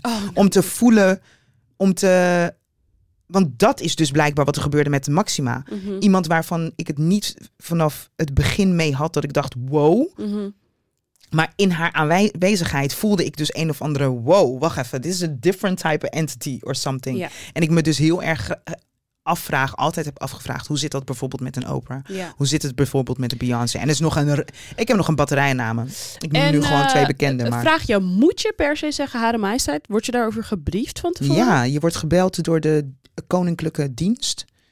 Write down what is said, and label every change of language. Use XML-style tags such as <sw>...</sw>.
<nl>Oh, nee. Om te voelen, om te... Want dat is dus blijkbaar wat er gebeurde met Maxima. Mm-hmm. Iemand waarvan ik het niet vanaf het begin mee had. Dat ik dacht, wow. Mm-hmm. Maar in haar aanwezigheid voelde ik dus een of andere, wow, wacht even.</nl> <en>This is a different type of entity or something. Yeah.</en> <nl>En ik me dus heel erg afvraag, altijd heb afgevraagd. Hoe zit dat bijvoorbeeld met een Oprah? Yeah. Hoe zit het bijvoorbeeld met de Beyoncé? En is nog een, ik heb nog een batterij namen. Ik noem nu gewoon twee bekende. Maar vraag je, moet je per se zeggen, Hare Majesteit? Word je daarover gebriefd van tevoren? Ja, je wordt gebeld door de koninklijke dienst.</nl>